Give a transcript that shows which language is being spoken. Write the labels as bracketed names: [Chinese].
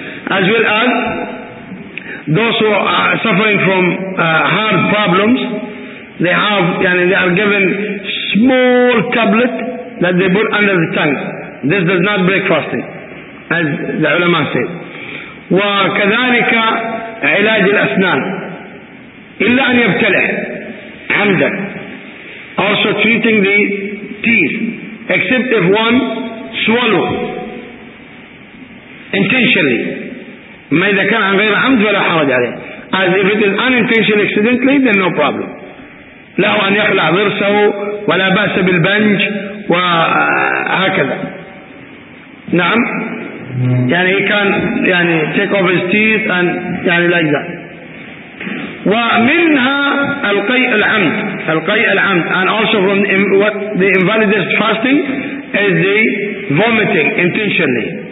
[English] As well as those who are suffering from heart problems, they have, [Arabic] يعني [English] they are given small tablet that they put under the tongue. This does not break fasting, as the ulama said. [Arabic] وكذلك علاج الأسنان إلا أن يبتلع عمدا. [English] Also treating the teeth, except if one swallow intentionally. [Arabic] ما إذا كان عن غير عمد فلا حرج عليه. [English] As if it is unintentionally, accidentally, then no problem. [Arabic] له أن يخلع ضرسه ولا بأس بالبنج وهكذا. نعم. يعني [English] he can يعني take off his teeth and يعني like that. [Arabic] ومنها القيء العمد. القيء العمد. [English] And also from what the invalidist fasting is the vomiting intentionally.